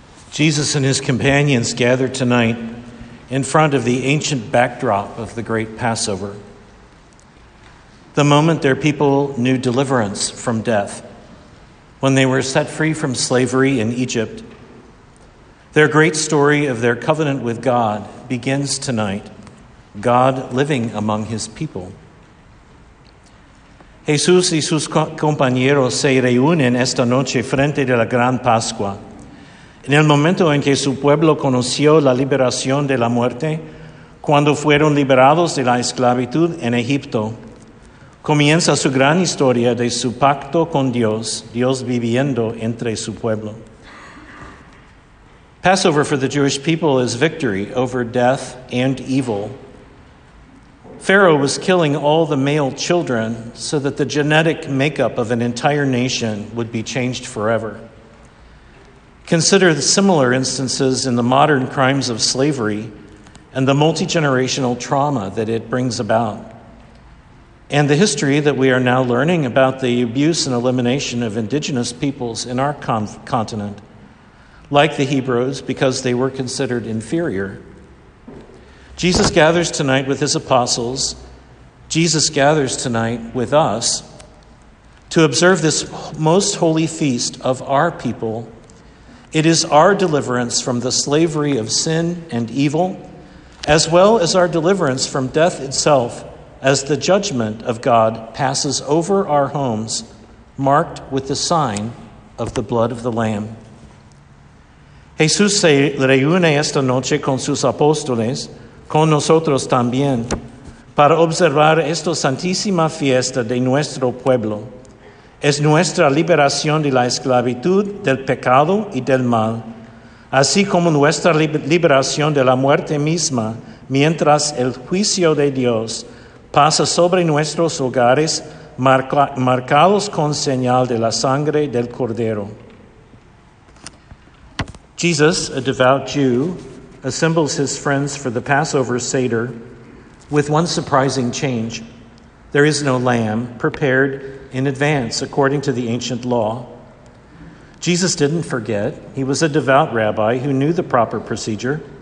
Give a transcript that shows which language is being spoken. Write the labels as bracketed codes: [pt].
[en] Jesus and his companions gather tonight in front of the ancient backdrop of the great Passover, the moment their people knew deliverance from death, when they were set free from slavery in Egypt. Their great story of their covenant with God begins tonight, God living among his people. [es] Jesús y sus compañeros se reúnen esta noche frente de la gran Pascua. En el momento en que su pueblo conoció la liberación de la muerte, cuando fueron liberados de la esclavitud en Egipto, comienza su gran historia de su pacto con Dios, Dios viviendo entre su pueblo. [en] Passover for the Jewish people is victory over death and evil. Pharaoh was killing all the male children so that the genetic makeup of an entire nation would be changed forever. Consider the similar instances in the modern crimes of slavery and the multi-generational trauma that it brings about, and the history that we are now learning about the abuse and elimination of indigenous peoples in our continent, like the Hebrews, because they were considered inferior. Jesus gathers tonight with his apostles. Jesus gathers tonight with us to observe this most holy feast of our people. It is our deliverance from the slavery of sin and evil, as well as our deliverance from death itself, as the judgment of God passes over our homes, marked with the sign of the blood of the Lamb. [es] Jesús se reúne esta noche con sus apóstoles, con nosotros también, para observar esta santísima fiesta de nuestro pueblo. Es nuestra liberación de la esclavitud, del pecado y del mal, así como nuestra liberación de la muerte misma, mientras el juicio de Dios pasa sobre nuestros hogares marcados con señal de la sangre del Cordero. [en] Jesus, a devout Jew, assembles his friends for the Passover Seder with one surprising change. There is no lamb prepared in advance, according to the ancient law. Jesus didn't forget. He was a devout rabbi who knew the proper procedure.